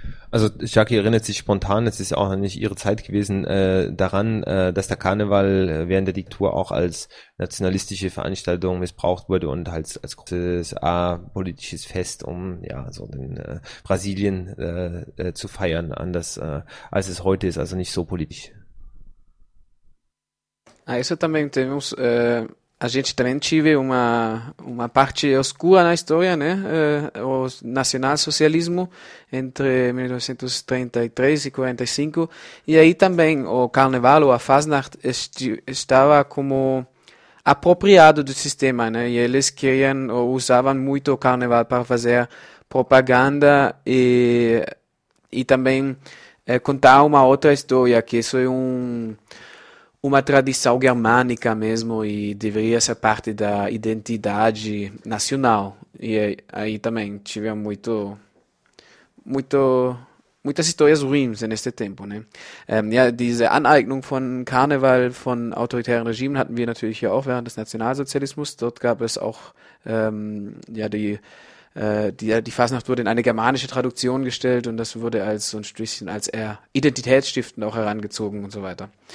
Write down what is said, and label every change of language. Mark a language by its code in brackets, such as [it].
[de] Also, Jackie erinnert sich spontan, es ist auch nicht ihre Zeit gewesen, daran, dass der Karneval während der Diktatur auch als nationalistische Veranstaltung missbraucht wurde und als großes apolitisches Fest, um ja so den Brasilien zu feiern, anders als es heute ist, also nicht so politisch. [pt] Ah, isso também temos. A gente também tive uma parte oscura na história, né? O nacional-socialismo entre 1933 e 45. E aí também o carnaval, ou a Fasnacht, estava como apropriado do sistema, né? E eles queriam, ou usavam muito o carnaval para fazer propaganda e também contar uma outra história, que isso é uma tradição germânica mesmo e deveria ser parte da identidade nacional. E aí também tive muitas histórias ruins neste tempo, né? [de] Ja, diese Aneignung von Karneval von autoritären Regimen hatten wir natürlich hier auch während des Nationalsozialismus. Dort gab es auch ja die Fasnacht wurde in eine germanische Tradition gestellt und das wurde als so ein Stückchen als eher identitätsstiftend auch herangezogen und so weiter.